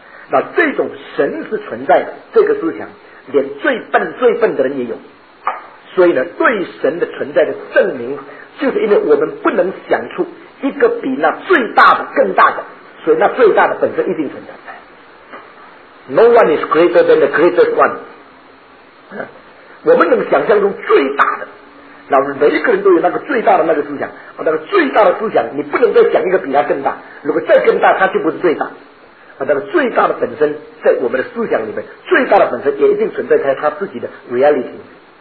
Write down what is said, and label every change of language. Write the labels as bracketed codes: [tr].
[zh] 那这种神是存在的这个思想，连最笨最笨的人也有。所以呢，对神的存在的证明，就是因为我们不能想出一个比那最大的更大的，所以那最大的本身一定存在。 [en] No one is greater than the greatest one。 [zh] 我们能想象中最大的，那每一个人都有那个最大的那个思想，那个最大的思想，你不能再想一个比它更大，如果再更大，它就不是最大。那个最大的本身在我们的思想里面，最大的本身也一定存在在它自己的 reality。